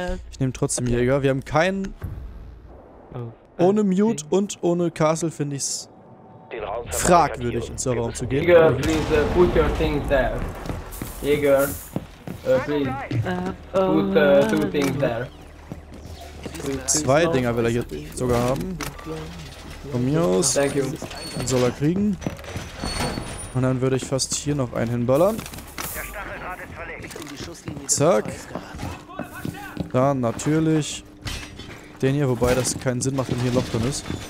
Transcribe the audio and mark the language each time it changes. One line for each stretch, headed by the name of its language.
German: Ich nehme trotzdem Jäger. Wir haben keinen. Ohne Mute und ohne Castle finde ich es fragwürdig, ins Serverraum zu gehen.
English: Jäger, please put your things there. Jäger, please put two things there.
German: Zwei Dinger will er hier sogar haben. Von mir aus.
English: Thank you.
German: Den soll er kriegen. Und dann würde ich fast hier noch einen hinballern. Zack. Dann natürlich den hier, wobei das keinen Sinn macht, wenn hier ein Loch drin ist.